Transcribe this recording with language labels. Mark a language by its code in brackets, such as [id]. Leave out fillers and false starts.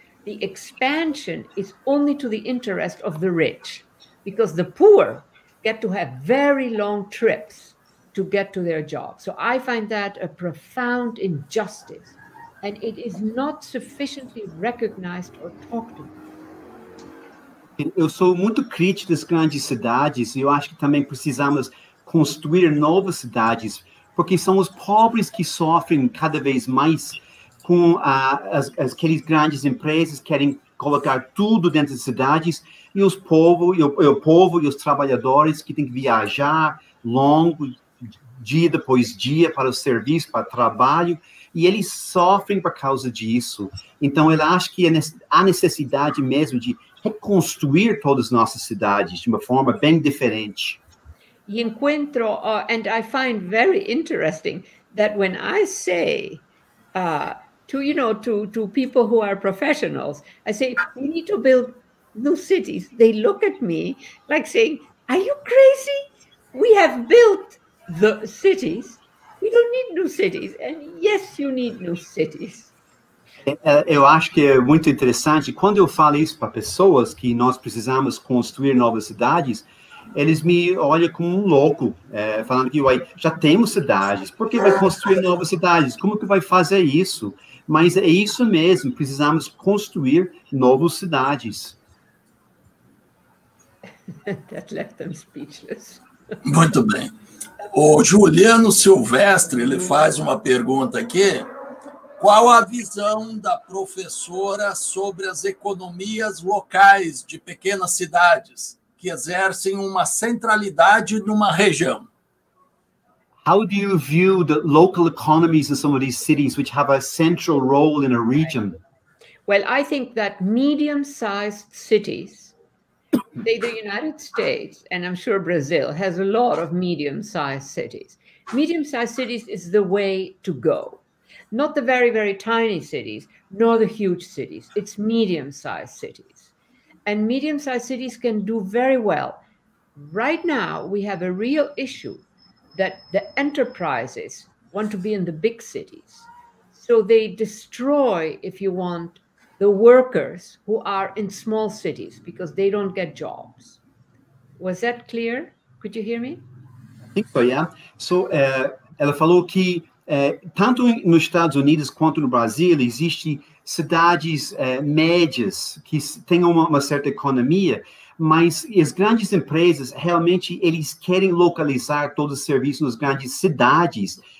[en] The expansion is only to the interest of the rich, because the poor get to have very long trips to get to their job. So I find that a profound injustice, and it is not sufficiently recognized or talked about. [pt] Eu sou muito crítico das grandes cidades, e eu acho que também precisamos construir novas cidades, porque são os pobres que sofrem cada vez mais com as aquelas grandes empresas querem colocar tudo dentro das cidades, e os povo e os trabalhadores que têm que viajar longo dia depois dia para o serviço, para o trabalho, e eles sofrem por causa disso. Então, eu acho que há necessidade mesmo de reconstruir todas as nossas cidades de uma forma bem diferente. E encontro, [en] and I find very interesting that when I say to people who are professionals, I say, we need to build new cities. They look at me like saying, are you crazy? We have built the cities, we don't need new cities, and yes, you need new cities. [pt] Eu acho que é muito interessante, quando eu falo isso para pessoas, que nós precisamos construir novas cidades, eles me olham como um louco, falando que já temos cidades, por que vai construir novas cidades? Como que vai fazer isso? Mas é isso mesmo, precisamos construir novas cidades. [en] That left them speechless. [pt] Muito bem. O Juliano Silvestre, ele faz uma pergunta aqui. Qual a visão da professora sobre as economias locais de pequenas cidades que exercem uma centralidade numa região? [en] How do you view the local economies in some of these cities which have a central role in a region? Well, I think that medium-sized cities, the United States, and I'm sure Brazil, has a lot of medium-sized cities. Medium-sized cities is the way to go. Not the very, very tiny cities, nor the huge cities. It's medium-sized cities. And medium-sized cities can do very well. Right now, we have a real issue that the enterprises want to be in the big cities. So they destroy, if you want, the workers who are in small cities because they don't get jobs. Was that clear? Could you hear me? I think so, yeah. [pt] So, ela falou que tanto nos Estados Unidos quanto no Brasil existem cidades médias que têm uma certa economia, mas as grandes empresas, realmente, eles querem localizar todos os serviços nas grandes cidades.